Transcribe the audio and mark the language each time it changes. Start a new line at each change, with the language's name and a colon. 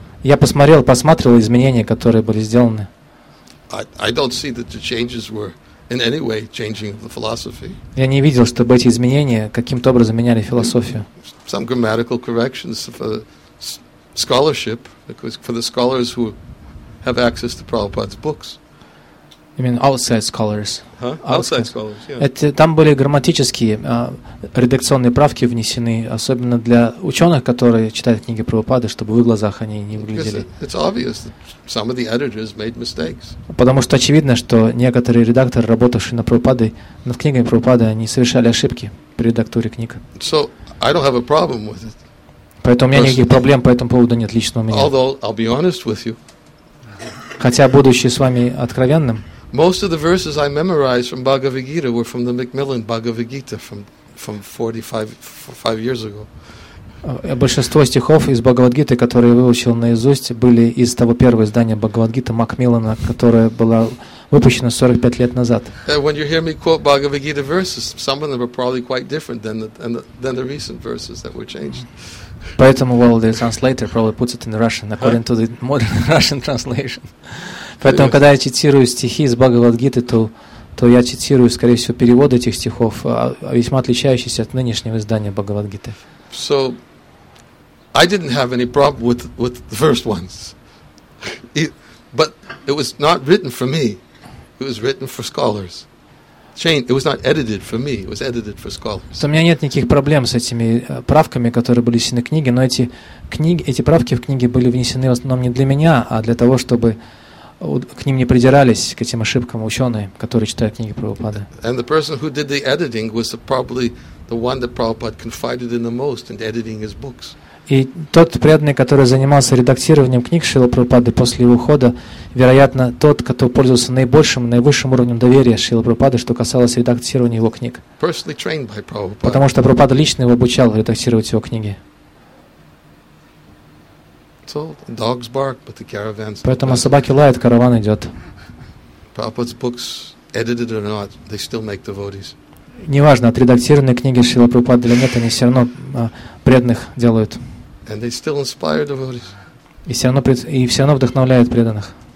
Russian: Я посмотрел изменения, которые были сделаны.
English: I don't see that the changes were in any way changing the philosophy.
Russian: Я не видел, чтобы эти изменения каким-то образом меняли философию.
English: Some grammatical corrections for scholarship, because for the scholars who have access to Prabhupada's books. You mean outside scholars? Huh? Outside scholars, yeah.
Russian: Это там были грамматические редакционные правки внесены, особенно для ученых, которые читают книги Прабхупады, чтобы в их глазах они не выглядели.
English: It's obvious that some of the editors made mistakes.
Russian: Потому что очевидно, что некоторые редакторы, работавшие над Прабхупадой, над книгами Прабхупады, они совершали ошибки при редактуре книг.
English: So I don't have a problem with it.
Russian: Поэтому у меня никаких проблем по этому поводу нет лично у меня.
English: Although I'll be honest with you.
Russian: Хотя, будучи с вами откровенным,
English: most of the verses I memorized from Bhagavad Gita were from the Macmillan Bhagavad Gita from 45 years ago.
Russian: Большинство стихов из Бхагавадгиты, которые я выучил наизусть, были из того первого издания Бхагавадгиты Макмиллана, которое было выпущено 45 лет назад.
English: When you hear me quote Bhagavad-Gita verses, some of them are probably quite different than the recent verses that were changed.
Russian: Поэтому,
English: well, the translator probably puts it in Russian, according to the modern Russian translation.
Russian: Поэтому, когда я цитирую стихи из Бхагавадгиты, то я цитирую, скорее всего, перевод этих стихов, весьма отличающийся от нынешнего издания Бхагавадгиты.
English: So, I didn't have any problem with the first ones. But it was not written for me. It was written for scholars. It was not edited for me. It was edited for scholars.
Russian: У меня нет никаких проблем с этими правками, которые были внесены в книге, но эти правки в книге были внесены в основном не для меня, а для того, чтобы к ним не придирались, к этим ошибкам ученые, которые читают книги Прабхупады.
English: And the person who did the editing was probably the one that Prabhupada confided in the most in editing his books.
Russian: И тот преданный, который занимался редактированием книг Шрилы Прабхупады после его ухода, вероятно, тот, кто пользовался наивысшим уровнем доверия Шрилы Прабхупады, что касалось редактирования его книг.
English: Personally trained by Prabhupada.
Russian: Потому что Прабхупада лично его обучал редактировать его книги.
English: So, dogs bark, but the caravan's
Russian: Поэтому собаки лают, караван идет.
English: Prabhupada's books, edited or not, they still make devotees.
Russian: Неважно, отредактированные книги Шрилы Прабхупады или нет, они все равно преданных делают.
English: And they still inspire devotees.
Russian: И все равно вдохновляют преданных.